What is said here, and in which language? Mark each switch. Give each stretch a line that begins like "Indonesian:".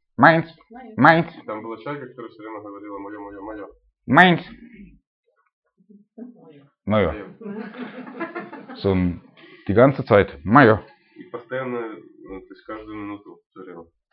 Russian: Там была чайка, которая все время говорила моё.
German: Meins.
Russian: Моё.
German: So, die ganze Zeit моё.
Russian: И постоянно, то есть каждую минуту все время.